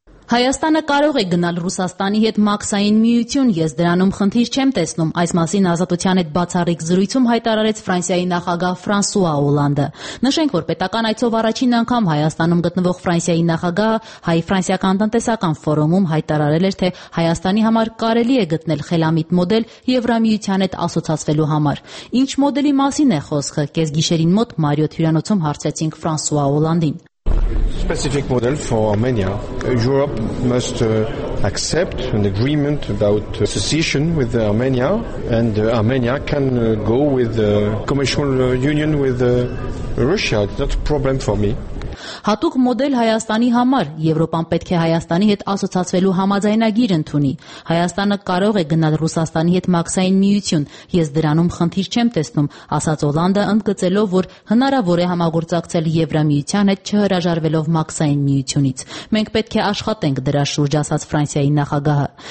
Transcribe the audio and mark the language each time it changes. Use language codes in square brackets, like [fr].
[hy] Հայաստանը կարող է գնալ Ռուսաստանի հետ մաքսային միություն, ես դրանում խնդիր չեմ տեսնում, այս մասին Ազատության հետ բացառիկ զրույցում հայտարարեց Ֆրանսիայի նախագահ Ֆրանսուա Օլանդը։ Նշենք, որ պետական այցով առաջին անգամ Հայաստանում գտնվող Ֆրանսիայի նախագահը հայ-ֆրանսիական տնտեսական ֆորումում հայտարարել էր, թե Հայաստանի համար կարելի է գտնել խելամիտ մոդել Եվրամիության հետ ասոցացվելու համար։ Ինչ մոդելի մասին է խոսքը, կեսգիշերին մոտ Մարիոթ հյուրանոցում հարցեցինք Ֆրանսուա Օլանդին։ [en] specific model for Armenia. Europe must accept an agreement about secession with Armenia, and Armenia can go with a commercial union with Russia. It's not a problem for me. [hy] Հատուկ մոդել Հայաստանի համար, Եվրոպան պետք է Հայաստանի հետ ասոցացվելու համաձայնագիր ընդունի։ Հայաստանը կարող է գնալ Ռուսաստանի հետ մաքսային միություն, ես դրանում խնդիր չեմ տեսնում, ասաց Օլանդը, ընդգծելով, որ հնարավոր է համագործակցել Եվրամիության հետ չհրաժարվելով մաքսային միությունից։ Մենք պետք է աշխատենք դրա շուրջ, ասաց Ֆրանսիայի նախագահը։